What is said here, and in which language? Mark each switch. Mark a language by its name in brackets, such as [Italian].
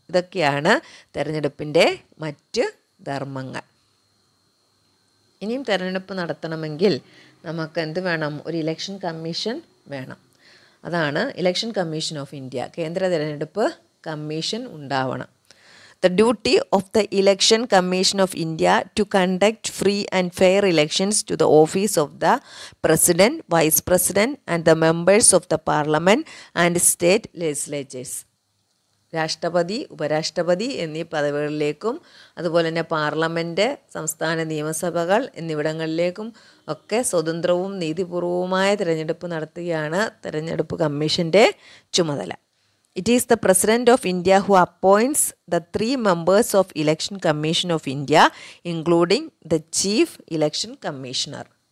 [Malayalam] ഇതൊക്കെയാണ് തിരഞ്ഞെടുപ്പിൻ്റെ മറ്റ് ധർമ്മങ്ങൾ. ഇനിയും തിരഞ്ഞെടുപ്പ് നടത്തണമെങ്കിൽ നമുക്ക് എന്ത് വേണം? ഒരു ഇലക്ഷൻ കമ്മീഷൻ വേണം. അതാണ് ഇലക്ഷൻ കമ്മീഷൻ ഓഫ് ഇന്ത്യ, കേന്ദ്ര തിരഞ്ഞെടുപ്പ് കമ്മീഷൻ ഉണ്ടാവണം. [English] the duty of the Election Commission of India to conduct free and fair elections to the office of the President, Vice President and the members of the Parliament and state legislatures. [Malayalam] രാഷ്ട്രപതി, ഉപരാഷ്ട്രപതി എന്നീ പദവികളിലേക്കും അതുപോലെ തന്നെ parliament, സംസ്ഥാന നിയമസഭകൾ എന്നിവിടങ്ങളിലേക്കും ഒക്കെ സ്വതന്ത്രവും നീതിപൂർവവുമായ തിരഞ്ഞെടുപ്പ് നടത്തുകയാണ് തിരഞ്ഞെടുപ്പ് കമ്മീഷൻ്റെ ചുമതല. [English] It is the president of India who appoints the 3 members of election commission of India including the chief election commissioner.